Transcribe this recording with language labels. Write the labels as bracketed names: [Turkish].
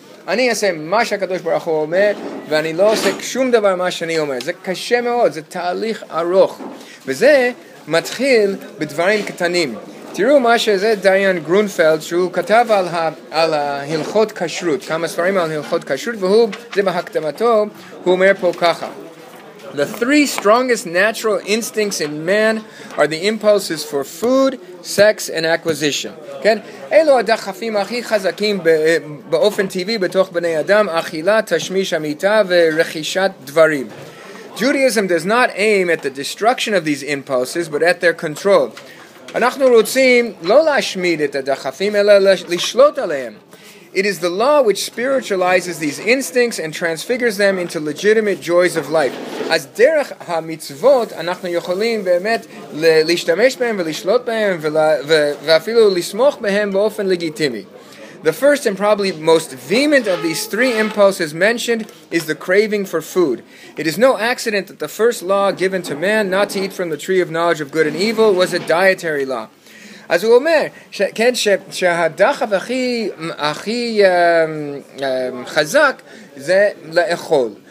[Hebrew] אני אעשה מה שהקדוש ברוך הוא אומר, ואני לא עושה שום דבר מה שאני אומר. זה קשה מאוד, זה תהליך ארוך. וזה מתחיל בדברים קטנים. תראו מה שזה דיין גרונפלד, שהוא כתב על, ה, על ההלכות כשרות, כמה ספרים על הלכות כשרות, והוא, זה בהקדמתו, הוא אומר פה ככה. [English] The three strongest natural instincts in man are the impulses for food, sex, and acquisition. [Hebrew] כן? אלו הדחפים הכי חזקים באופן טבעי בתוך בני אדם, אכילה, תשמיש, עמיתה ורכישת דברים. [English] Judaism does not aim at the destruction of these impulses, but at their control. [Hebrew] אנחנו רוצים לא להשמיד את הדחפים, אלא לשלוט עליהם. [English] It is the law which spiritualizes these instincts and transfigures them into legitimate joys of life. [Hebrew] אז דרך המצוות אנחנו יכולים באמת להשתמש בהם ולשלוט בהם ואפילו לסמוך בהם באופן לגיטימי. [English] The first and probably most vehement of these three impulses mentioned is the craving for food. It is no accident that the first law given to man not to eat from the tree of knowledge of good and evil was a dietary law. [Hebrew] אז הוא אומר שכן שהדחף הכי חזק זה לאכול.